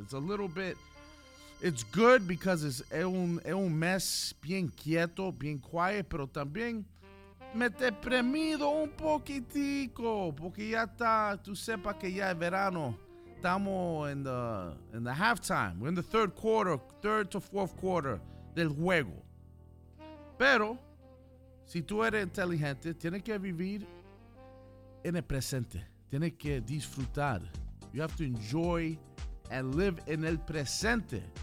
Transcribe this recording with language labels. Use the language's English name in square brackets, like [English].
[English] It's a little bit, it's good because it's [Spanish] un mes bien quieto, bien quiet, pero también me deprimido un poquitico porque ya está, tú sepa que ya es verano. Estamos [English] in the halftime. We're in the third quarter, third to fourth quarter [Spanish] del juego. Pero, si tú eres inteligente, tienes que vivir en el presente. Tienes que disfrutar. [English] You have to enjoy and live in el presente.